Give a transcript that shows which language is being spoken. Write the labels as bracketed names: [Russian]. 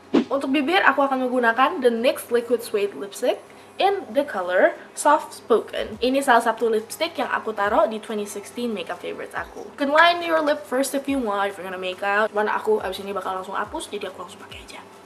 [Indonesian] Untuk bibir, aku akan menggunakan the NYX Liquid Suede Lipstick in the color Soft Spoken. Ini salah satu lipstick yang aku taruh di 2016 makeup favorites aku. [English] You can line your lip first if you want, if you're gonna make out. [Indonesian] Cuman aku abis ini bakal langsung hapus, jadi aku langsung pakai aja.